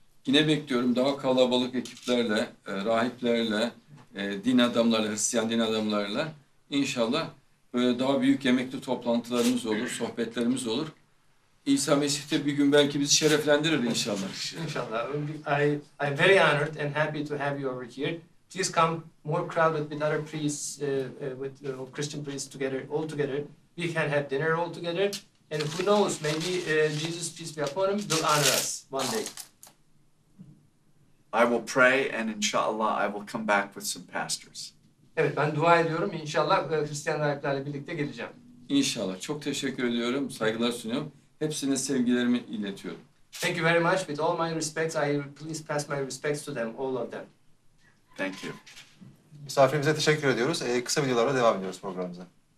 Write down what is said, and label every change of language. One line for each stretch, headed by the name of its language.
Turkish: Yine bekliyorum daha kalabalık ekiplerle, rahiplerle, din adamlarıyla, Hristiyan din adamlarıyla. İnşallah böyle daha büyük yemekli toplantılarımız olur, sohbetlerimiz olur. İsa Mesih de bir gün belki bizi şereflendirir inşallah. İnşallah.
English: I'm very honored and happy to have you over here. Please come more crowded with other priests, with Christian priests together, all together. We can have dinner all together. And who knows, maybe Jesus, peace be upon him, will honor us one day. I will pray and inshallah I will come back with some pastors.
Turkish: Evet, ben dua ediyorum. İnşallah Hristiyan rahiplerle birlikte geleceğim. İnşallah. Çok teşekkür ediyorum. Saygılar sunuyorum. Hepsine sevgilerimi iletiyorum.
English: Thank you very much. With all my respects, I please pass my respects to them, all of them. Thank you.
Turkish: Misafirimize teşekkür ediyoruz. Kısa videolarla devam ediyoruz programımıza.